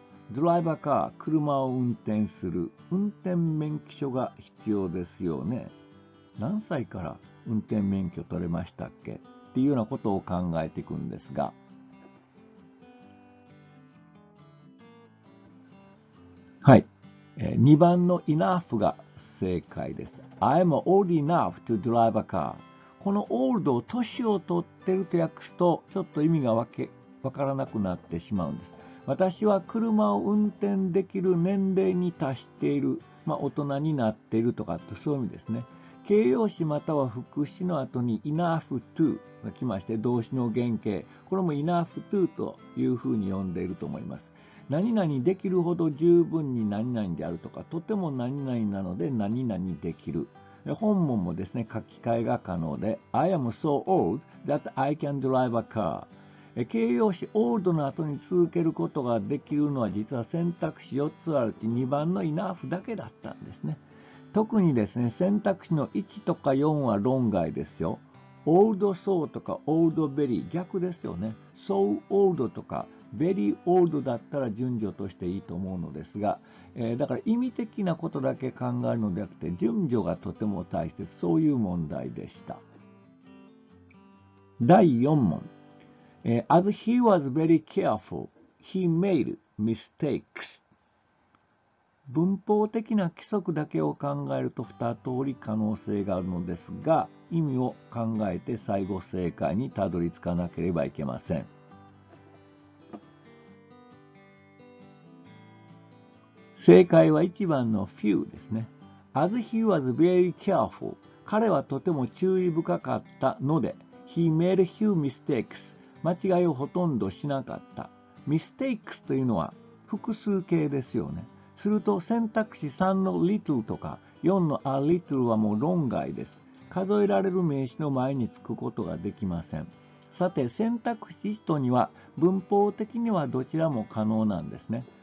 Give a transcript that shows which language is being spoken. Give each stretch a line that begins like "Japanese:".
Japanese: ドライバーカー、車を運転する。運転免許証が必要ですよね。何歳から運転免許取れましたっけ?っていうようなことを考えていくんですが。はい。2番の enough が正解です。
English: I'm old enough to drive a car.
Japanese: この old を年を取ってると訳すと、ちょっと意味がわからなくなってしまうんです。私は車を運転できる年齢に達している、まあ、大人になっているとか、そういう意味ですね。形容詞または副詞の後に enough to が来まして、動詞の原型。これも enough to というふうに呼んでいると思います。何々できるほど十分に何々であるとか、とても何々なので何々できる。本文もですね、書き換えが可能で、
English: I am so old that I can drive a car.
Japanese: 形容詞 old の後に続けることができるのは実は選択肢4つあるうち2番の enough だけだったんですね。特にですね、選択肢の1とか4は論外ですよ。 old so とか old very 逆ですよね。 so old とか very old だったら順序としていいと思うのですが、だから意味的なことだけ考えるのではなくて順序がとても大切、そういう問題でした。第4問。
English: As he was very careful, he made mistakes.
Japanese: 文法的な規則だけを考えると2通り可能性があるのですが、意味を考えて最後正解にたどり着かなければいけません。正解は1番の few ですね。
English: As he was very careful,
Japanese: 彼はとても注意深かったので、
English: he made few mistakes.
Japanese: 間違いをほとんどしなかった。mistakes というのは複数形ですよね。すると選択肢3の little とか4の a little はもう論外です。数えられる名詞の前につくことができません。さて、選択肢1とには文法的にはどちらも可能なんですね。